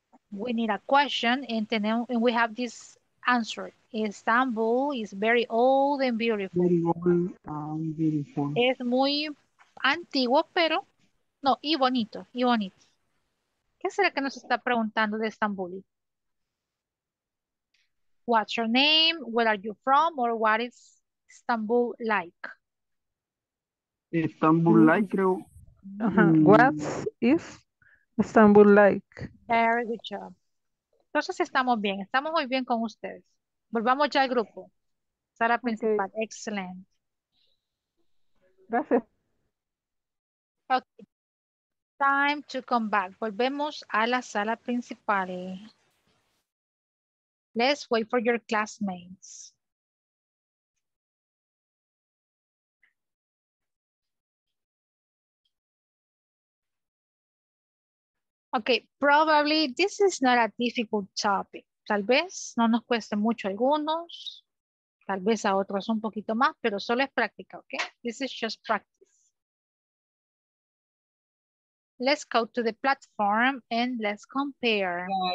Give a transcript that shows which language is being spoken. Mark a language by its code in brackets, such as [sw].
[en] We need a question and we have this answer. Istanbul is very old and beautiful. Very old and beautiful. [es] Es muy antiguo, pero no, y bonito, y bonito. ¿Qué será que nos está preguntando de Estambul? [en] What's your name? Where are you from? Or what is Istanbul like? Istanbul like, [es] creo. [en] What is Istanbul like? Very good job. [es] Entonces estamos bien. Estamos muy bien con ustedes. Volvamos ya al grupo. Sara principal. [en] Okay. Excellent. [es] Gracias. [en] Okay. Time to come back. [es] Volvemos a la sala principal. [en] Let's wait for your classmates. Okay, probably this is not a difficult topic. [es] Tal vez no nos cueste mucho a algunos, tal vez a otros un poquito más, pero solo es práctica, okay? [en] This is just practice. Let's go to the platform and let's compare.